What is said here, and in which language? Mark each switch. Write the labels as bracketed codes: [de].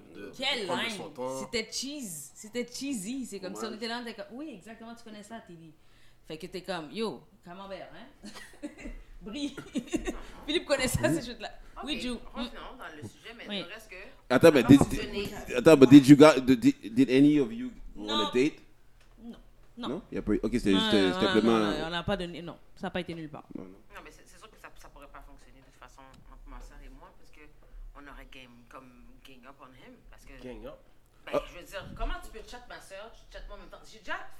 [fr] prendre line? Son temps. C'était cheesy. C'est comme si on était là, on était comme, oui, exactement, tu connais ça, Tilly. Fait que t'es comme, yo, camembert, hein? Brie. Philippe connaît ça, ces choses-là. Okay. Oui, Jou. Revenons dans le sujet, mais il ne reste que... [en] Did any of you go on a date? [fr] Non. Ok, c'était juste simplement. On n'a pas donné. Non, ça n'a pas été nulle part. Non, mais c'est sûr que ça ne pourrait pas fonctionner de toute façon entre ma soeur et moi, parce qu'on aurait [en] gang up on him. [fr] Parce que, [en] gang up? [fr] Je veux dire, comment tu peux chat ma soeur, tu chat moi en même temps? J'ai déjà.